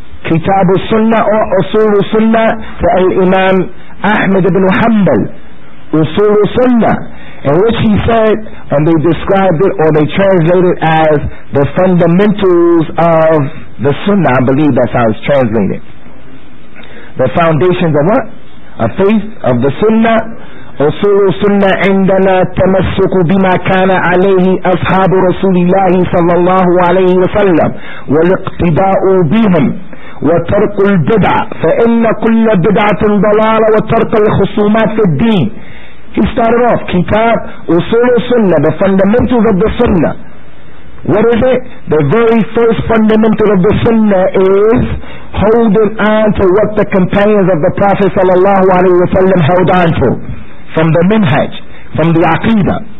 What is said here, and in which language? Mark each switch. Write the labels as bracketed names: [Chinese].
[English] Kitab al-Sunnah or Usul al-Sunnah to Al-Imam Ahmed ibn Hanbal. Usul al-Sunnah, in which he said, and they described it or they translated as the fundamentals of the Sunnah. I believe that's how it's translated. The foundations of what? A faith of the Sunnah. [Arabic] أصول السنة عندنا تمسك بما كان عليه أصحاب رسول الله صلى الله عليه وسلم والاقتداء بهم وترك البدع فإن كل بدعة ضلالة وترك الخصومات في الدين. [English] He started off [Arabic] كتاب أصول السنة, [English] the fundamentals of the Sunnah. What is it? The very first fundamental of the Sunnah is holding on to what the companions of the Prophet [Arabic] صلى الله عليه وسلم [English] held on to, from the minhaj, from the aqidah.